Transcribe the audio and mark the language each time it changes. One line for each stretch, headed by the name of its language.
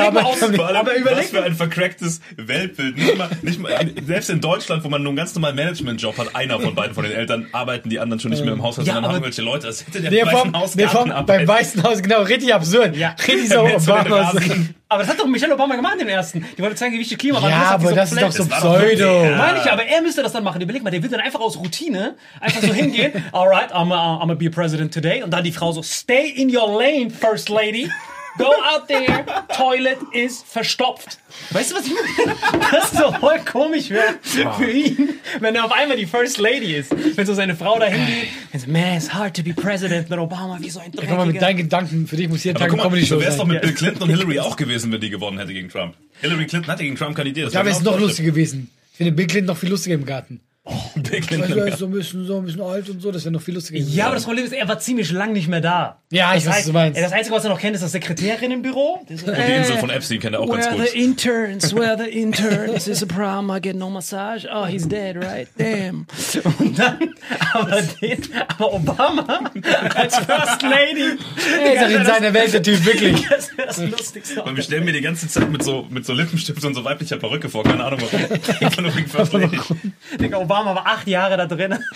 German: aber was für ein verkracktes Weltbild. Selbst in Deutschland, wo man nur einen ganz normalen Management-Job hat, einer von beiden von den Eltern, arbeiten die anderen schon nicht mehr im Haushalt, sondern haben irgendwelche Leute. Das hätte der Weißen Haus gar nicht. Beim Weißen Haus, genau, richtig absurd. Ja. Richtig so Obama. Aber das hat doch Michelle Obama gemacht, den ersten. Die wollte zeigen, wie wichtig Klimawandel ist. Ja, aber das ist doch so Pseudo. Meine ich, aber er müsste das dann machen. Überleg mal, der will dann einfach aus Routine einfach so hingehen.
English: Alright, I'm gonna be president today.
German: Und dann die Frau so,
English: stay in your lane, first lady. Go out there, toilet is
German: verstopft. Weißt du, was ich meine? Das ist so voll komisch wäre für ihn, wenn er auf einmal die First Lady ist. Wenn so seine Frau da hingeht.
English: Man, it's hard to be president
German: mit Obama, wie so ein Dreckiger. Guck mal, mit deinen Gedanken, für dich muss hier Tag Comedy Show sein. Du wärst doch mit Bill Clinton und Hillary auch gewesen, wenn die gewonnen hätte gegen Trump. Hillary Clinton hatte gegen Trump kandidiert. Da wäre es noch lustiger gewesen. Ich finde Bill Clinton noch viel lustiger im Garten. Oh, Bill Clinton. Ich weiß, so ein bisschen alt und so, das wäre noch viel lustiger gewesen. Ja, aber das Problem ist, er war ziemlich lang nicht mehr da. Ja, ich weiß, was du meinst. Das Einzige, was er noch kennt, ist das Sekretärin im Büro. Und die Insel von Epstein kennt er auch ganz gut.
English: Where the interns, is a problem, I get no massage. Oh, he's dead, right? Damn.
German: Und dann, aber Obama als First Lady. Er ist auch in seiner Welt der Typ, wirklich. Das ist das Lustigste. Und wir stellen mir die ganze Zeit mit so Lippenstift und so weiblicher Perücke vor, keine Ahnung, warum. Ich nur wegen First Lady. Obama war 8 Jahre da drin.